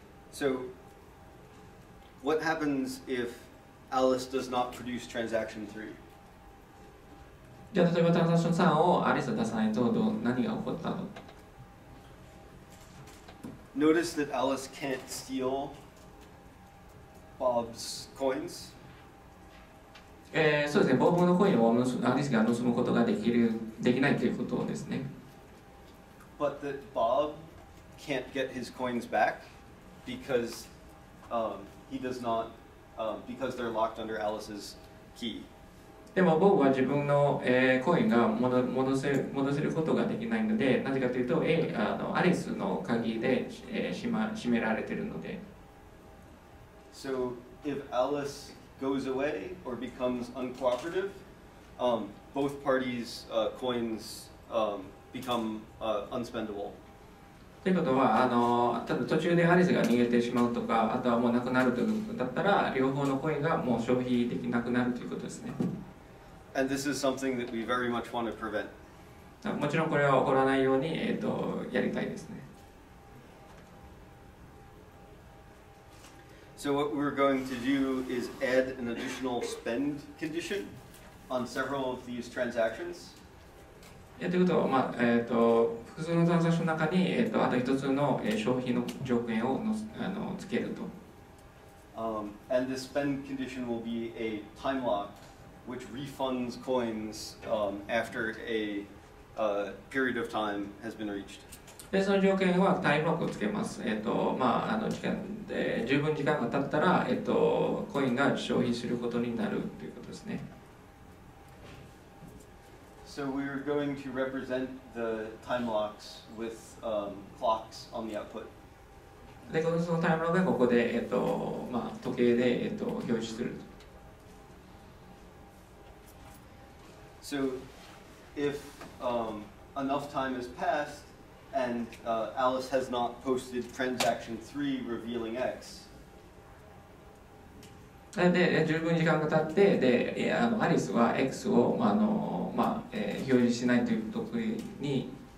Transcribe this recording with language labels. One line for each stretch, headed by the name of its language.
English: So, what happens if Alice does not produce transaction 3?
Japanese: じゃあ例えばトランザクション3をアリスが出さないとどう何が起こったの
English: ?Notice that Alice can't steal Bob's coins?
Japanese: そうですね、ボブのコインをアリスが盗むことができる、できないということですね。
English: But that Bob can't get his coins back because, he does not, because they're locked under Alice's key.
Japanese: でも僕は自分の、コインが戻せることができないので、なぜかというと、アリスの鍵で、閉められているので。
English: So, if Alice goes away or becomes uncooperative, both parties' coins become unspendable.
Japanese: ということは、ただ途中でアリスが逃げてしまうとか、あとはもうなくなるということだったら、両方のコインがもう消費できなくなるということですね。
English: And this is something that we very much want to prevent.
Japanese: もちろんこれは起こらないように、やりたいですね。
English: So what we're going to do is add an additional spend condition on several of these transactions.
Japanese: ということは、まあ複数のトランザクションの中に、あと一つの消費の条件をつけると。
English: And this spend condition will be a time lock. Which refunds coins after a period of time has been reached.
Japanese: で、その条件はタイムロックをつけます。まあ、時間で十分時間が経ったら、コインが消費することになるということですね。
English: So we're going to represent the time locks with clocks on the output.
Japanese: で、そのタイムロックがここで、まあ、時計で、表示すると。
English: So, if enough time has passed and Alice has not posted transaction 3 revealing X.
Japanese: で、十分時間が経って、で、アリスは X を、表示しないというときに、